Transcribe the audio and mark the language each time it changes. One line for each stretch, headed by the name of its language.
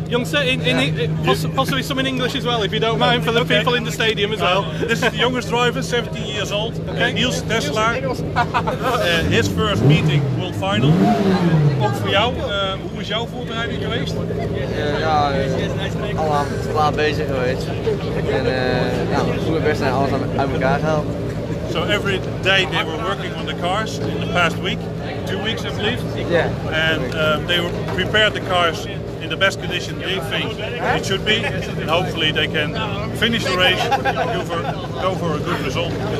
English: Jongste, possibly some in English as well, if you don't mind, for the people in the stadium as well. This is the youngest driver, 17 years old, okay. Niels Tesla. His first meeting, World Final.
Dutch: Ook voor jou, hoe is jouw voorbereiding geweest? Ja, al laat bezig geweest. Nou, we zijn alles uit elkaar gehaald.
English: So every day they were working on the cars in the past week, 2 weeks I believe. Yeah. And they were prepared the cars in the best condition they think it should be. And hopefully they can finish the race and go for a good result.